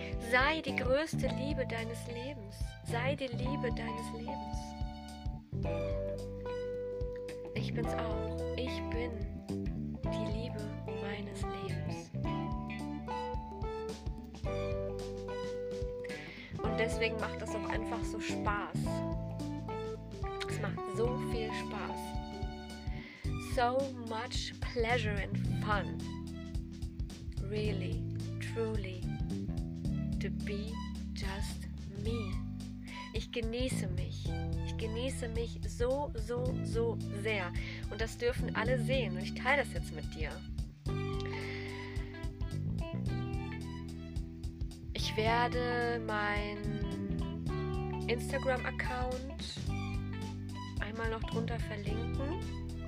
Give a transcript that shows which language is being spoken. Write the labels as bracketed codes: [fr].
[de] Sei die größte Liebe deines Lebens. Sei die Liebe deines Lebens. Ich bin's auch. Ich bin die Liebe meines Lebens. Und deswegen macht das auch einfach so Spaß. Es macht so viel Spaß. [en] So much pleasure and fun. Really, truly, to be just me. [de] Ich genieße mich. Ich genieße mich so, so, so sehr. Und das dürfen alle sehen. Und ich teile das jetzt mit dir. Ich werde mein Instagram-Account einmal noch drunter verlinken.